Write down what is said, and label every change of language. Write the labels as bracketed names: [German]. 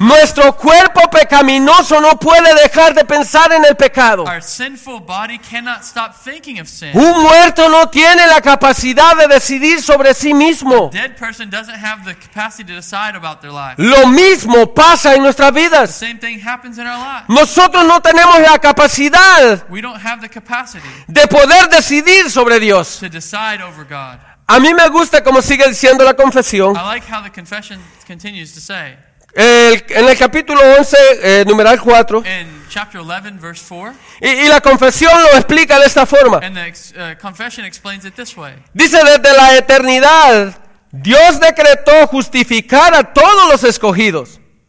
[Spanish] Nuestro cuerpo pecaminoso no puede dejar de pensar en el pecado. [English] Our sinful body cannot stop thinking of sin. [Spanish] Un muerto no tiene la capacidad de decir sobre sí mismo. [English] A dead person doesn't have the capacity to decide about their life. [Spanish] Lo mismo pasa en nuestras vidas. [English] The same thing happens in our lives. [Spanish] Nosotros no tenemos la capacidad. [English] We don't have the capacity [Spanish] de poder decidir sobre Dios. [English] To decide over God. [Spanish] A mí me gusta cómo sigue diciendo la confesión. [English] I like how the confession continues to say. [Spanish] En el capítulo 11, numeral 4. [English] In chapter 11, verse 4. [Spanish] Y la confesión lo explica de esta forma. [English] And the confession explains it this way. [Spanish] Dice, desde la eternidad, Dios decretó justificar a todos los escogidos.